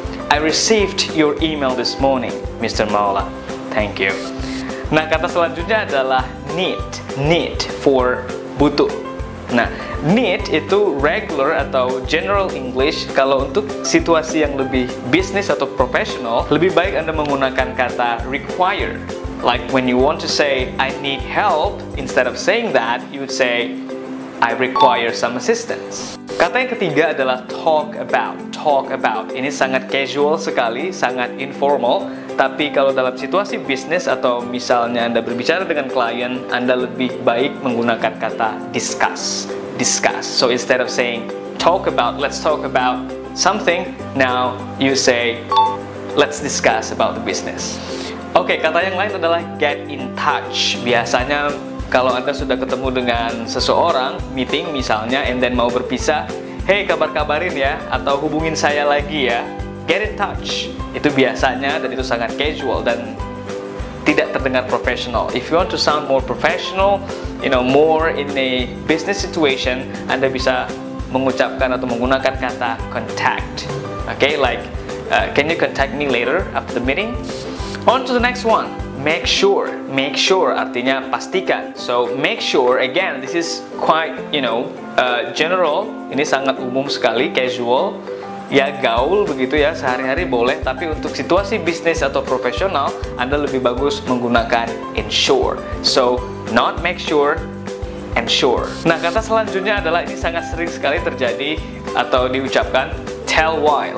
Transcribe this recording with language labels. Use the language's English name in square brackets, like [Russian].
[English] I received your email this morning, Mr. Maula. Thank you. [Indonesian] Nah, kata selanjutnya adalah need. Need for butuh. Nah, need itu regular atau general English. Kalau untuk situasi yang lebih business atau professional, lebih baik Anda menggunakan kata require. [English] Like when you want to say I need help, instead of saying that, you would say I require some assistance. [Indonesian] Kata yang ketiga adalah talk about. Talk about. Ini sangat casual sekali, sangat informal. Tapi kalau dalam situasi bisnis atau misalnya Anda berbicara dengan klien, Anda lebih baik menggunakan kata discuss. [English] Discuss. So instead of saying talk about, let's talk about something, now you say let's discuss about the business. [Indonesian] Okay, kata yang lain adalah get in touch. Biasanya kalau Anda sudah ketemu dengan seseorang, meeting misalnya, [English] and then [Indonesian] mau berpisah, hey, kabar-kabarin ya, atau hubungin saya lagi ya, get in touch. Itu biasanya, dan itu sangat casual, dan tidak terdengar professional. [English] If you want to sound more professional, you know, more in a business situation, [Indonesian] Anda bisa mengucapkan atau menggunakan kata contact. [English] Okay, like, can you contact me later after the meeting? On to the next one. Make sure. [Indonesian] Make sure artinya pastikan. [English] So make sure, again, this is quite, you know, general. [Indonesian] Ini sangat umum sekali, casual. Ya, gaul begitu ya, sehari-hari boleh. Tapi untuk situasi bisnis atau profesional, Anda lebih bagus menggunakan ensure. [English] So, not make sure, ensure. [Indonesian] Nah, kata selanjutnya adalah ini sangat sering sekali terjadi atau diucapkan, tell why.